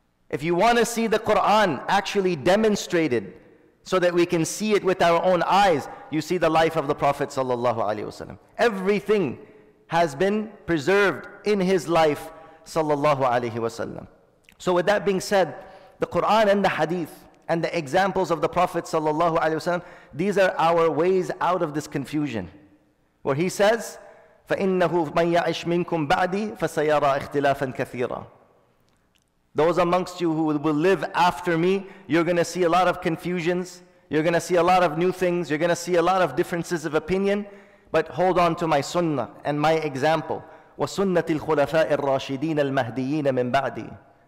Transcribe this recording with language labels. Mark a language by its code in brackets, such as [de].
[en] If you want to see the Qur'an actually demonstrated so that we can see it with our own eyes, you see the life of the Prophet sallallahu alaihi wasallam. Everything has been preserved in his life sallallahu alaihi wasallam. So with that being said, the Quran and the Hadith and the examples of the Prophet sallallahu alaihi wasallam, these are our ways out of this confusion. Where he says, [ar] فَإِنَّهُ مَنْ يَعِشْ مِنْكُمْ بَعْدِي فَسَيَرَى إِخْتِلَافًا كَثِيرًا. [en] Those amongst you who will live after me, you're going to see a lot of confusions. You're going to see a lot of new things. You're going to see a lot of differences of opinion. But hold on to my sunnah and my example. [ar] وَسُنَّةِ الْخُلَفَاءِ الرَّاشِدِينَ الْمَهْدِيِّينَ مِنْ بَعْدِي.